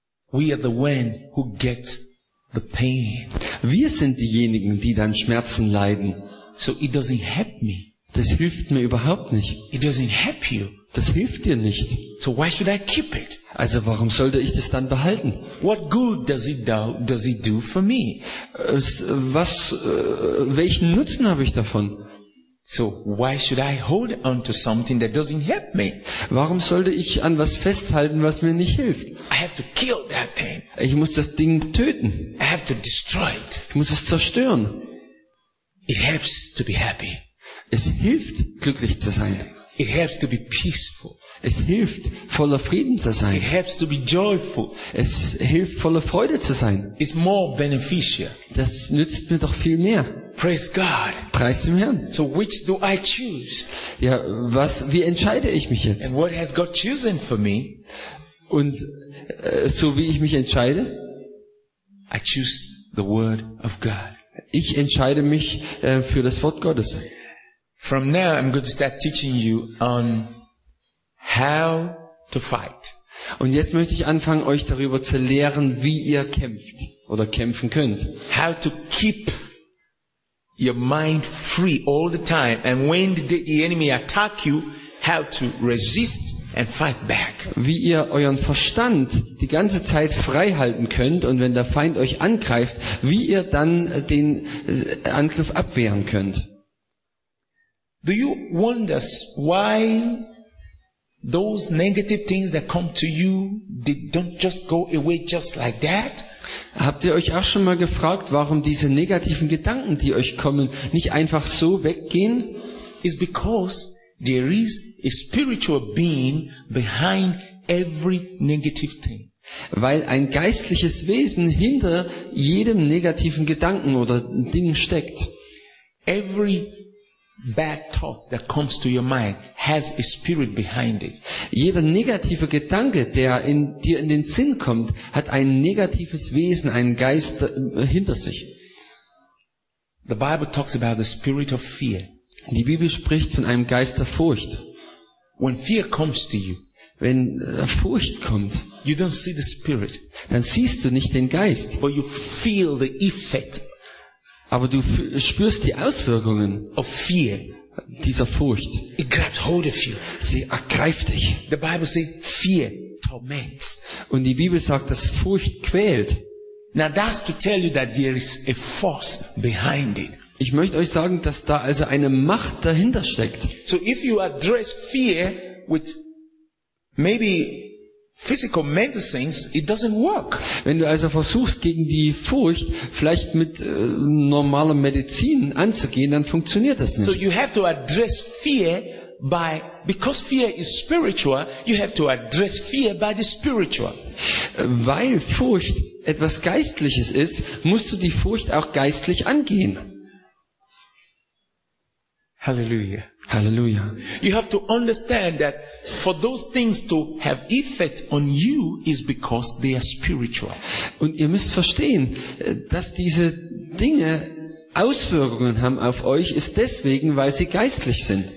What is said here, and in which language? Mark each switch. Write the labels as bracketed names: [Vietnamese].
[English] We are the one who gets the pain. [German] Wir sind diejenigen, die dann Schmerzen leiden. [English] So it doesn't help me. [German] Das hilft mir überhaupt nicht. [English] It doesn't help you. [German] Das hilft dir nicht. [English] So why should I keep it? [German] Also warum sollte ich das dann behalten? [English] What good does it do for me? [German] Welchen Nutzen habe ich davon? [English] So why should I hold on to something that doesn't help me? [German] Warum sollte ich an was festhalten, was mir nicht hilft? [English] I have to kill that thing. [German] Ich muss das Ding töten. [English] I have to destroy it. [German] Ich muss es zerstören. [English] It helps to be happy. [German] Es hilft, glücklich zu sein. [English] It helps to be peaceful. [German] Es hilft, voller Frieden zu sein. [English] It helps to be joyful. [German] Es hilft, voller Freude zu sein. [English] It's more beneficial. [German] Das nützt mir doch viel mehr. [English] Praise God. [German] Preis dem Herrn. [English] So which do I choose? [German] Ja, wie entscheide ich mich jetzt? [English] And what has God chosen for me? [German] Und so wie ich mich entscheide? [English] I choose the word of God. [German] Ich entscheide mich für das Wort Gottes. [English] From now I'm going to start teaching you on how to fight. [German] Und jetzt möchte ich anfangen, euch darüber zu lehren, wie ihr kämpft oder kämpfen könnt. [English] How to keep your mind free all the time, and when the enemy attack you, how to resist and fight back. [German] Wie ihr euren Verstand die ganze Zeit frei halten könnt, und wenn der Feind euch angreift, wie ihr dann den Angriff abwehren könnt. [English] Do you wonder why those negative things that come to you, they don't just go away just like that? [German] Habt ihr euch auch schon mal gefragt, warum diese negativen Gedanken, die euch kommen, nicht einfach so weggehen? [English] It's because there is a spiritual being behind every negative thing. [German] Weil ein geistliches Wesen hinter jedem negativen Gedanken oder Ding steckt. [English] Every bad thought that comes to your mind has a spirit behind it. [German] Jeder negative Gedanke, der in dir in den Sinn kommt, hat ein negatives Wesen, einen Geist hinter sich. [English] The Bible talks about the spirit of fear. [German] Die Bibel spricht von einem Geist der Furcht. [English] When fear comes to you, [German] wenn Furcht kommt, [English] you don't see the spirit, [German] dann siehst du nicht den Geist. [English] But you feel the effect. [German] Aber du spürst die Auswirkungen [English] of fear. [German] Dieser Furcht. [English] It grabs hold of you. [German] Sie ergreift dich. [English] The Bible says fear torments. [German] Und die Bibel sagt, dass Furcht quält. [English] Now that's to tell you that there is a force behind it. [German] Ich möchte euch sagen, dass da also eine Macht dahinter steckt. [English] So if you address fear with maybe physical medicines, it doesn't work. [German] Wenn du also versuchst, gegen die Furcht vielleicht mit normaler Medizin anzugehen, dann funktioniert das nicht. [English] So you have to address fear by, because fear is spiritual, you have to address fear by the spiritual. [German] Weil Furcht etwas Geistliches ist, musst du die Furcht auch geistlich angehen. [English] Hallelujah. [German] Hallelujah. [English] You have to understand that for those things to have effect on you is because they are spiritual. [German] Und ihr müsst verstehen, dass diese Dinge Auswirkungen haben auf euch, ist deswegen, weil sie geistlich sind.